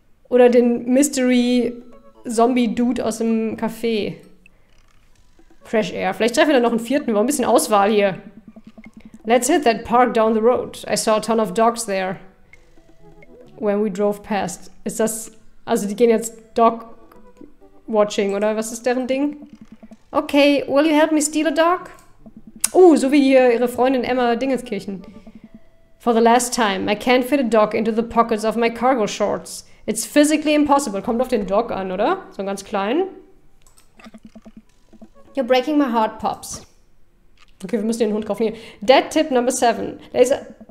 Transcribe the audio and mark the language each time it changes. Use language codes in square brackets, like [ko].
[de] Oder den Mystery Zombie Dude aus dem Café. [en] Fresh air. [de] Vielleicht treffen wir da noch einen vierten. Wir haben ein bisschen Auswahl hier. [en] Let's hit that park down the road. I saw a ton of dogs there. When we drove past. [de] Ist das... Also die gehen jetzt dog watching, oder was ist deren Ding? [en] Okay, will you help me steal a dog? [de] Oh, so wie hier ihre Freundin Emma Dingenskirchen. [en] For the last time, I can't fit a dog into the pockets of my cargo shorts. It's physically impossible. [de] Kommt auf den Dog an, oder? So einen ganz kleinen. [en] You're breaking my heart, Pops. [de] Okay, wir müssen den Hund kaufen. [en] Dad Tip Number 7. Laser.